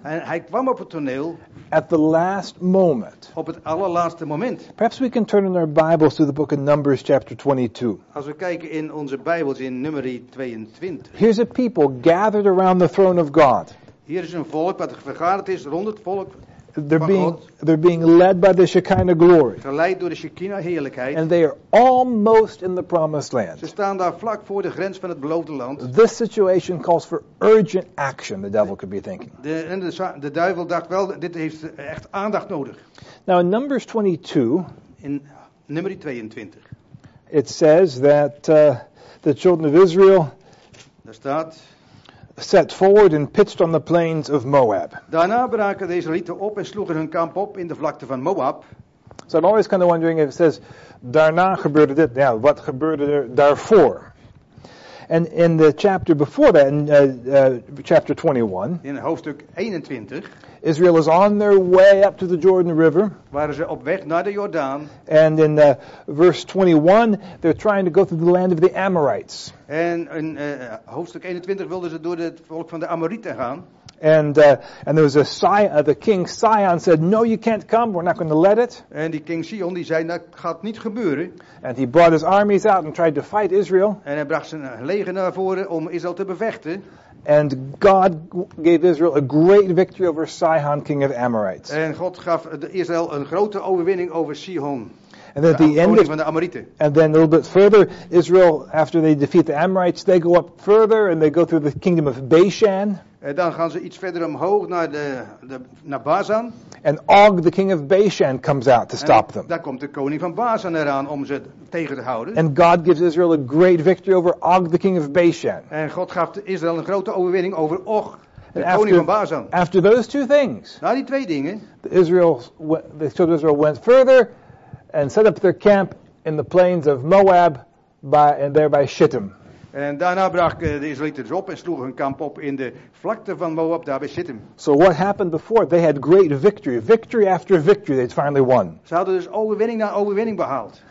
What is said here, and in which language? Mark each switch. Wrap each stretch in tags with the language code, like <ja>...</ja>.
<nl>En hij kwam op het toneel.</nl> <en>At the last moment.</en> <nl>Op het allerlaatste moment.</nl> <en>Perhaps we can turn in our Bibles to the book of Numbers chapter 22.</en> <nl>Als we kijken in onze Bijbels in Numeri 22.</nl> <en>Here's a people gathered around the throne of God.</en> <nl>Hier is een volk wat vergaderd is rond het volk.</nl> <en>They're being led by the Shekinah glory.</en> <nl>Geleid door de Shekinah heerlijkheid.</nl> <en>And they are almost in the promised land.</en> <nl>Ze staan daar vlak voor de grens van het beloofde land.</nl> <en>This situation calls for urgent action, the devil could be thinking.</en> <nl>De duivel dacht wel, dit heeft echt aandacht nodig.</nl> <en>Now in Numbers 22.</en> <nl>In Numeri 22.</nl> <en>It says that the children of Israel.</en> <nl>Daar staat.</nl> <en>Set forward and pitched on the plains of Moab.</en> <nl>Daarna braken de Israëlieten op en sloegen hun kamp op in de vlakte van Moab.</nl> <en>So I'm always kind of wondering if it says,</en> <nl>daarna gebeurde dit.</nl> <en>Now, what</en> <nl>gebeurde er daarvoor?</nl> <en>And in the chapter before that, in chapter 21.</en> <nl>In hoofdstuk 21.</nl> <en>Israel is on their way up to the Jordan River.</en> <nl>Waren ze op weg naar de Jordaan.</nl> <en>And in verse 21, they're trying to go through the land of the Amorites.</en> <nl>En in hoofdstuk 21 wilden ze door het volk van de Amorieten gaan.</nl> <en>And there was a the king Sion said, no, you can't come. We're not going to let it.</en> <nl>En die king Sion die zei, dat gaat niet gebeuren.</nl> <en>And he brought his armies out and tried to fight Israel.</en> <nl>En hij bracht zijn leger naar voren om Israël te bevechten.</nl> <en>And God gave Israel a great victory over Sihon, king of Amorites.</en> <nl>En God gaf Israël een grote overwinning over Sihon.</nl> <en>And then at the end of the Amorites. And then a little bit further, Israel, after they defeat the Amorites, they go up further and they go through the kingdom of Bashan.</en> <nl>En dan gaan ze iets verder omhoog naar naar Bazan.</nl> <en>And Og, the king of Bashan, comes out to stop them.</en> <nl>Daar komt de koning van Bazan eraan om ze tegen te houden.</nl> <en>And God gives Israel a great victory over Og, the king of Bashan.</en> <nl>En God gaf Israël een grote overwinning over Og. Koning van Bazan.</nl> <en>After those two things.</en> <nl>Na die twee dingen.</nl> <en>The children of Israel went further. And set up their camp in the plains of Moab, and thereby Shittim.</en> <nl>En daarna braken de Israëlieten op en sloegen hun kamp op in de vlakte van Moab, daar bij Shittim.</nl> <en>So what happened before? They had great victory, victory after victory. They'd finally won.</en> <nl>Ze hadden dus overwinning na overwinning behaald.</nl>